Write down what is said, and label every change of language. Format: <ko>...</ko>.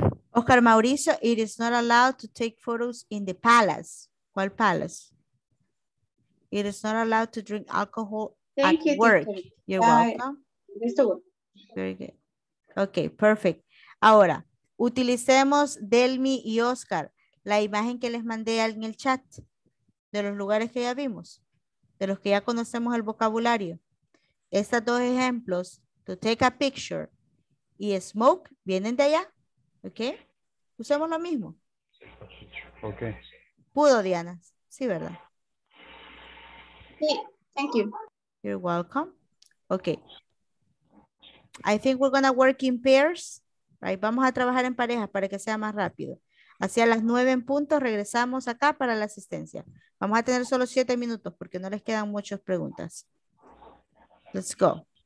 <en>Oscar Mauricio, it is not allowed to take photos in the palace.</en> <es>¿Cuál</es> <en>palace? It is not allowed to drink alcohol at work. You're welcome.</en> <es>Listo.</es> <en>Very good. Okay, perfect.</en> <es>Ahora, utilicemos Delmi y Oscar, la imagen que les mandé en el chat, de los lugares que ya vimos, de los que ya conocemos el vocabulario. Estos dos ejemplos,</es> <en>to take a picture</en> <es>y smoke, vienen de allá. ¿Ok? Usemos lo mismo. Ok. ¿Pudo, Diana? Sí, ¿verdad? Sí,</es> <en>thank you. You're welcome. Ok. I think we're going to work in pairs. Right.</en> <es>Vamos a trabajar en pareja para que sea más rápido. Hacia las 9 en punto regresamos acá para la asistencia. Vamos a tener solo 7 minutos porque no les quedan muchas preguntas.</es> <en>Let's go.</en>